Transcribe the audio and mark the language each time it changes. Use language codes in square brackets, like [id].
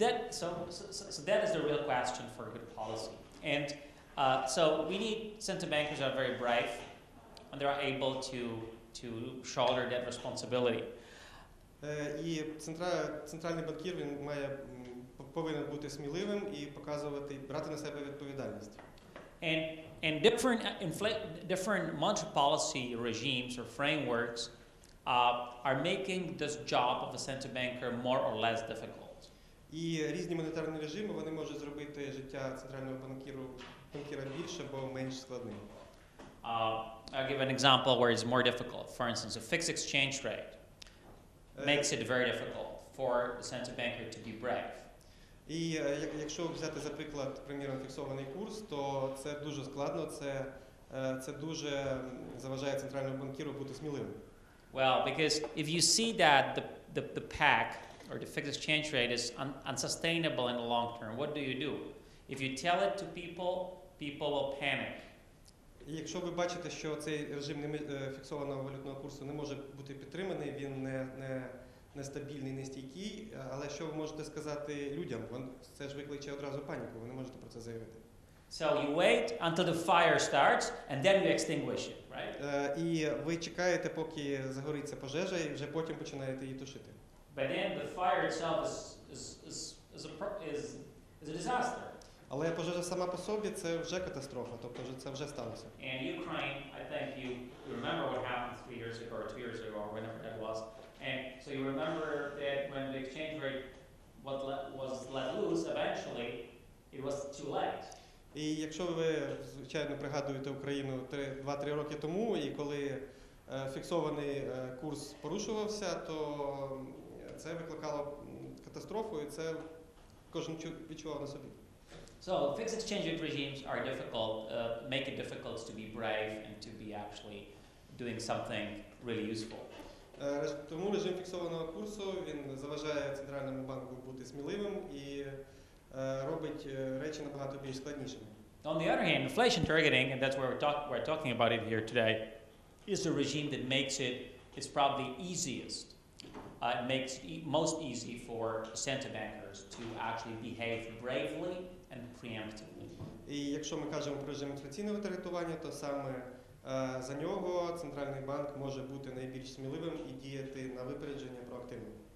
[en] So that is the real question for good policy. And so we need central bankers are very brave and they are able to shoulder that responsibility. [uk] І центральний банкір він має повинен бути сміливим і показувати, брати на себе відповідальність. [en] And different monetary policy regimes or frameworks are making this job of a central banker more or less difficult. [uk] І різні монетарні режими, вони можуть зробити життя центрального банкіра більш або менш складним. [en] I'll give an example where it's more difficult. For instance, a fixed exchange rate makes it very difficult for the central banker to be brave. [uk] І якщо взяти за приклад, приміром, фіксований курс, то це дуже складно, це дуже заважає центральному банкіру бути сміливим. [en] Well, because if you see that the PEC or the fixed exchange rate is unsustainable in the long term, what do? If you tell it to people will panic. [uk] І якщо ви бачите, що цей режим фіксованого валютного курсу не може бути підтриманий, він нестабільний, нестійкий, але що ви можете сказати людям? Це ж викличе одразу паніку, ви не можете про це заявити. [en] So you wait until the fire starts and then you extinguish it, right? [uk] І ви чекаєте, поки загориться пожежа, і вже потім починаєте її тушити. [en] But then the fire itself is a disaster. [uk] Але пожежа сама по собі це вже катастрофа, тобто це вже сталося. [en] And Ukraine, I think you remember what happened 3 years ago or 2 years ago or whenever that was. And so you remember that when the exchange rate was let loose, eventually it was too late. [uk] І якщо ви звичайно пригадуєте Україну 2-3 роки тому, і коли фіксований курс порушувався, то це викликало катастрофу, і це кожен відчував на собі. [en] So fixed exchange rate regimes are difficult, make it difficult to be brave and to be actually doing something really useful. [uk] Тому режим фіксованого курсу, він заважає центральному банку бути сміливим і робить речі набагато більш складнішими. [en] On the other hand, inflation targeting, and that's where we're talking about it here today, is a regime that makes it, is probably easiest, makes it most easy for central bankers to actually behave bravely and preemptively. [uk] І якщо ми кажемо про режим інфляційного таргетування, то саме за нього центральний банк може бути найбільш сміливим і діяти на випередження проактивно.